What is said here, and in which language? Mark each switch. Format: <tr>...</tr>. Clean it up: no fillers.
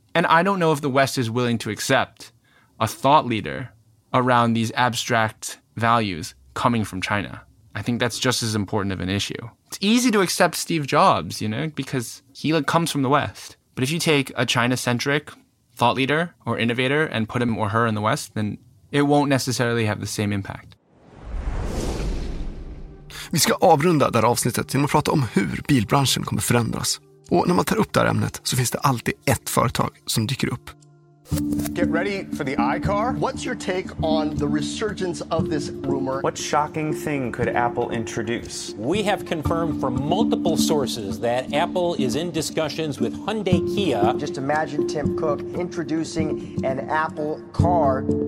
<en>And I don't know if the West is willing to accept a thought leader around these abstract values coming from China. I think that's just as important of an issue. It's easy to accept Steve Jobs, you know, because he, like, comes from the West. But if you take a China-centric thought leader or innovator and put him or her in the West, then it won't necessarily have the same impact.</en> <sv>Vi ska avrunda det här avsnittet genom att prata om hur bilbranschen kommer förändras. Och när man tar upp det här ämnet så finns det alltid ett företag som dyker upp.</sv> <en>Get ready for the iCar. What's your take on the resurgence of this rumor? What shocking thing could Apple introduce? We have confirmed from multiple sources that Apple is in discussions with Hyundai Kia. Just imagine Tim Cook introducing an Apple car.</en>